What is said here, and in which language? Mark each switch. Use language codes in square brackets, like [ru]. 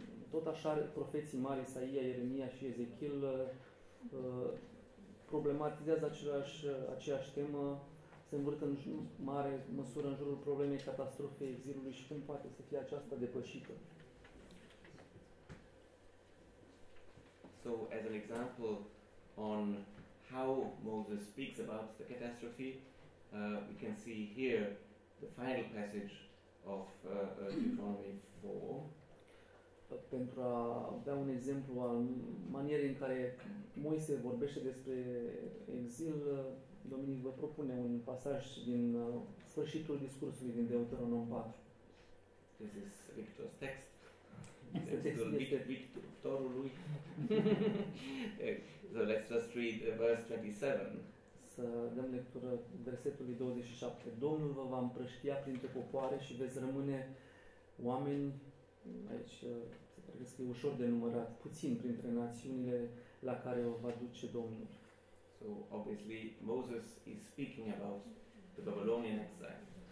[ro] Tot așa profeții mari, Isaia, Ieremia și Ezechiel, problematizează aceeași temă, se învârtă în mare măsură în jurul problemei catastrofei exilului și cum poate să fie aceasta depășită. [en] So, as an example on how Moses speaks about the catastrophe, we can see here the final passage of Deuteronomy 4. [ro] Pentru a da un exemplu al manierei în care Moise vorbește despre exil, Dominic vă propune un pasaj din sfârșitul discursului din Deuteronom 4. [en] This is Victor's text. [ro] Textul Victorului. [en] So let's just read verse 27. [ro] Să dăm lectură versetului 27. Domnul vă va împrăștia printre popoare și veți rămâne oameni aici. Cred că e ușor de numărat, puțin printre națiunile la care o va duce Domnul. [en] So, obviously, Moses is speaking about the Babylonian exile.